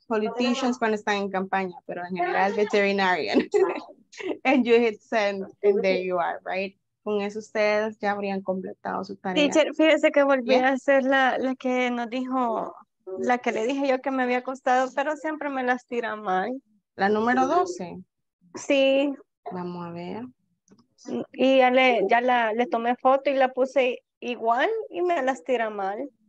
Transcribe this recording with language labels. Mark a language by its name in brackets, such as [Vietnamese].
[Spanish] Politicians cuando están en campaña, pero en general veterinarian. [English] And you hit send, and there you are, right? [Spanish] Con eso ustedes ya habrían completado su tarea. Teacher, fíjese que volví a hacer la que nos dijo, la que le dije yo que me había costado, pero siempre me las tira mal. ¿La número 12? Sí. Vamos a ver. Y ya le tomé foto y la puse igual y me las tira mal.